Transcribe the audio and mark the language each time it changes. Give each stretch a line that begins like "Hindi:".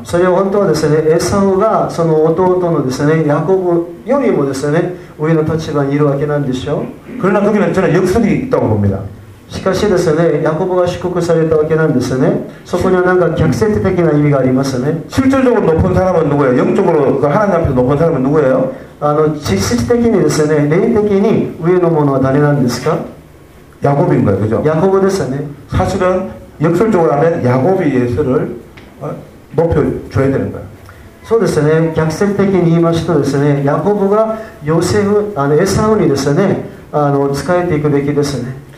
Japanese: それは本当はですね、エサウがその弟のですね、ヤコブよりもですね、上の立場にいるわけなんでしょう。
Korean: 그러나거기는저는역설이있다고봅니다。
Japanese: しかしですね、ヤコブが祝福されたわけなんですね。そこにはなんか逆説的な意味がありますね。
Korean: 실질적으로높은사람은누구예요？ 영적으로그하나님앞에서높은사람은누구예요？
Japanese: 実質的にですね、霊的に上のものは誰なんですか？
Korean: ヤコブ인거예요、그죠？
Japanese: ヤコブですね。
Korean: 사실은역설적으로하면야곱이예수를높여줘야되는거예요。
Japanese: そうですね、逆説的に言いますとですね、ヤコブがヨセフ、エサウにですね、仕えていくべきですね。